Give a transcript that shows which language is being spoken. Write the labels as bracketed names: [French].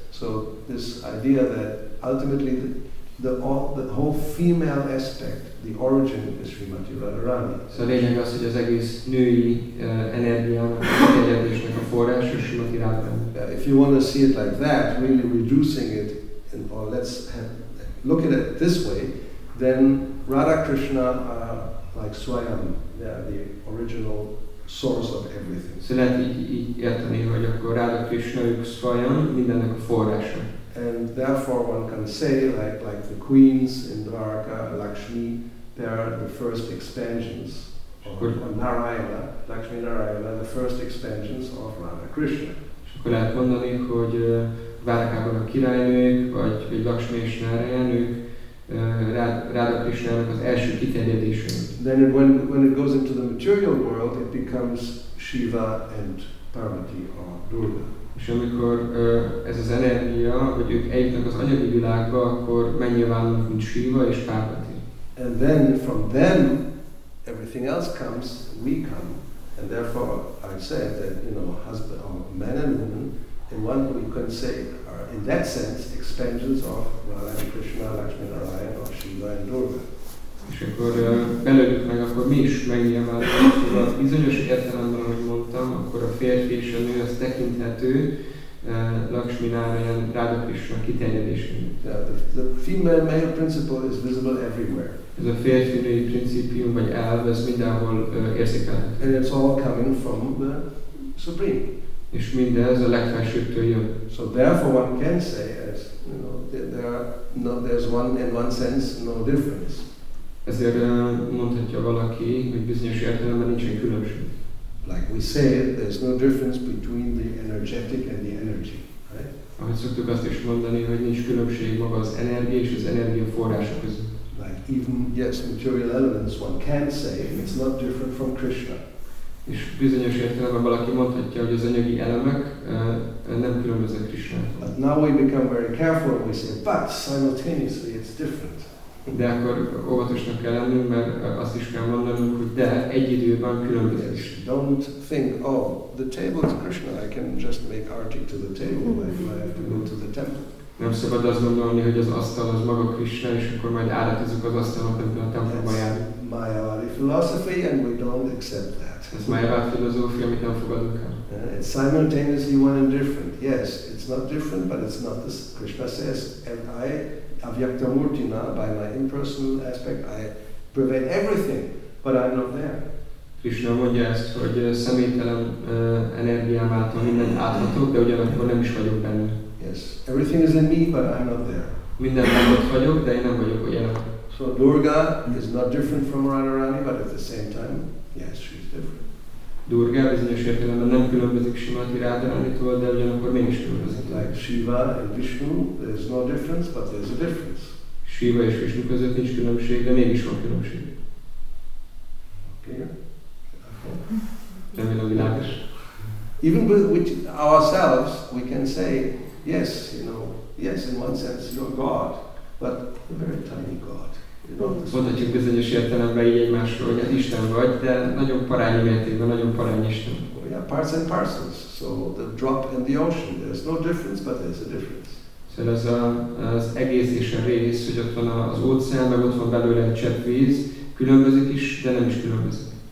[English] So this idea that ultimately the whole female aspect, the origin of Srimati Radharani. [Hungarian] So lényeg az, hogy az egész női energiának, egyedülésnek a forrása Srimati Radharani. [English] If you want to see it like that, really reducing it, and or let's look at it this way, then Radha Krishna are like Swayam, they are the original source of everything. [Hungarian] So lehet így érteni, hogy akkor Radha Krishna ők Swayam, mindennek a forrása. [English] And therefore one can say, like the queens in Dwarka, Lakshmi, they are the first expansions of Narayana, Lakshmi Narayana, the first expansions of Radha Krishna. [Hungarian] Akkor lehet mondani, hogy Várakában a királynők, vagy Lakshmi és Narayanők, Radha Krishnának az első kiterjedése. [English] Then when it goes into the material world, it becomes Shiva and Parvati or Durga. [Hungarian] És amikor ez az energia, hogy ők eljutnak az anyagi világba, akkor megnyilvánulnak, mint Shiva és Parvati. [English] And then from them, everything else comes, we come. And therefore, I say that, you know, husband or man and woman, in one we can say, are in that sense, expansions of Radha Krishna, Lakshmi Narayana, or Shiva and Durga. [Hungarian] És akkor belőlük meg, akkor mi is megnyilvánulunk, szóval bizonyos értelemben, ahogy mondtam, akkor a férfi és a nő az tekinthető Lakshmi Narayana, Radha Krishna kiterjedésének. [English] The female male principle is visible everywhere. [Hungarian] Ez a férfi-női principium vagy elv, ez mindenhol érzékelhető. [English] And it's all coming from the supreme. [Hungarian] És mindez a legfelsőbbtől jön. [English] So therefore one can say, as you know, there's one in one sense no difference. [Hungarian] Ezért mondhatja valaki, hogy bizonyos értelemben nincsen különbség. [English] Like we say, there's no difference between the energetic and the energy, right? [Hungarian] Ahogy szoktuk azt is mondani, hogy nincs különbség maga az energia és az energia forrása között. [English] Like even yes, material elements one can say it's not different from Krishna. [Hungarian] És bizonyos értelemben valaki mondhatja, hogy az anyagi elemek nem különböznek Krishnától. [English] But now we become very careful and we say, but simultaneously it's different. [Hungarian] De akkor óvatosnak kell lennünk, mert azt is kell mondanunk, hogy de egy időben különbözik. [English] Yes, don't think, oh, the table is Krishna, I can just make arti to the table if I have to go to the temple. [Hungarian] Nem szabad azt gondolni, hogy az asztal az maga Krishna, és akkor majd áratozunk az asztalon, amikor a templomba jár. [English] That's Mayavadi philosophy, and we don't accept that. [Hungarian] Ez Mayavadi filozófia, amit nem fogadunk el. [English] It's simultaneously one and different. Yes, it's not different, but it's not this. Krishna says, and I, [Sanskrit] avyakta murtina, [English] by my impersonal aspect, I pervade everything, but I'm not there. [Hungarian] Krishna mondja ezt, hogy személytelen energiám által mindent átlatok, de ugyanakkor nem is vagyok benne. [English] Yes, everything is in me, but I'm not there. [Hungarian] Minden ott vagyok, de én nem vagyok olyan. So [English] So Durga is not different from Radharani, but at the same time, yes, she's different. [Hungarian] Durga bizonyos értelemben nem különbözik Simati Rádharánitól, de ugyanakkor mégis különbözik. [English] Like Shiva and Vishnu, there's no difference, but there's a difference. [Hungarian] Shiva és Vishnu között nincs különbség, de mégis van különbség. [English] Okay. [Hungarian] Remélem világos. [English] Even with ourselves, we can say, yes, you know, yes, in one sense, you're God, but a very tiny God. [Hungarian] Mondhatjuk bizonyos értelemben így egymásról, hogy hát Isten vagy, de nagyon parányi mértékben, nagyon parányi Isten. [English] Oh yeah, parts and parcels. So the drop in the ocean, there's no difference, but there's a difference. [Hungarian] Szóval ez az egész és a rész, hogy ott van az óceán, meg ott van belőle egy csepp víz, különbözik is, de nem is különbözik.